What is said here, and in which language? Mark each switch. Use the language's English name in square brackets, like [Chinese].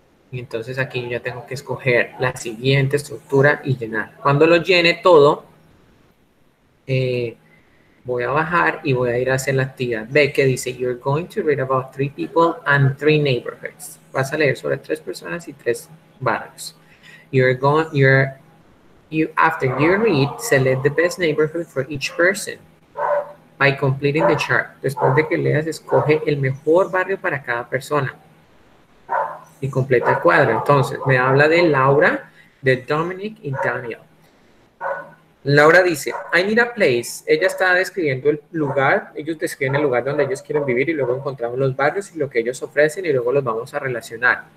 [Spanish] Y entonces aquí yo ya tengo que escoger la siguiente estructura y llenar. Cuando lo llene todo, voy a bajar y voy a ir a hacer la actividad B que dice, [English] You're going to read about three people and three neighborhoods. [Spanish] Vas a leer sobre tres personas y tres barrios. [English] You're going, you're, you, after you read, select the best neighborhood for each person by completing the chart. [Spanish] Después de que leas, escoge el mejor barrio para cada persona. Y completa el cuadro. Entonces, me habla de Laura, de Dominic y Daniel. Laura dice, [English] I need a place. [Spanish] Ella está describiendo el lugar. Ellos describen el lugar donde ellos quieren vivir y luego encontramos los barrios y lo que ellos ofrecen y luego los vamos a relacionar.